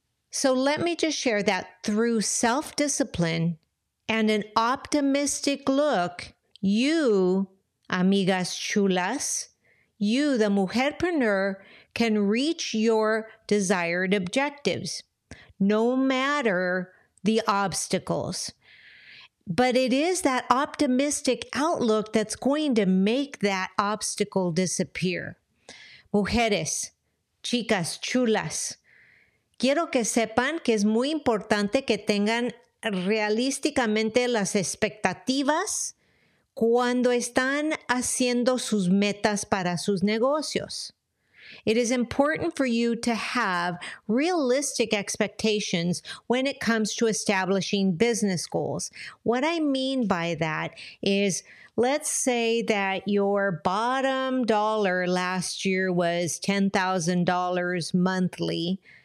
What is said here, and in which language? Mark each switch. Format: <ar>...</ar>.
<en>So let me just share that through self-discipline and an optimistic look, you, amigas chulas, you, the mujerpreneur, can reach your desired objectives, no matter the obstacles. But it is that optimistic outlook that's going to make that obstacle disappear. Mujeres,</en> <es>chicas chulas, quiero que sepan que es muy importante que tengan realísticamente las expectativas cuando están haciendo sus metas para sus negocios.</es> <en>It is important for you to have realistic expectations when it comes to establishing business goals. What I mean by that is, let's say that your bottom dollar last year was $10,000 monthly.</en>